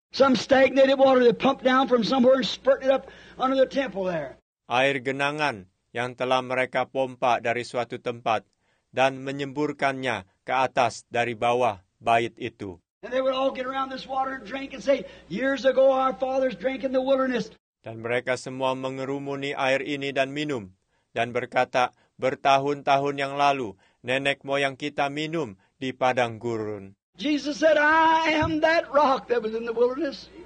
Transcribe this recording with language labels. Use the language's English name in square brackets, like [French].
[English] Some stagnated water they pumped down from somewhere and spurted it up under the temple there. [Indonesian] Air genangan yang telah mereka pompa dari suatu tempat dan menyemburkannya ke atas dari bawah bait itu. [English] And they would all get around this water and drink and say, "Years ago our fathers drank in the wilderness." [Indonesian] Dan mereka semua mengerumuni air ini dan minum dan berkata, "Bertahun-tahun yang lalu nenek moyang kita minum di padang gurun." [English] Jesus said, "I am that rock that was in the wilderness."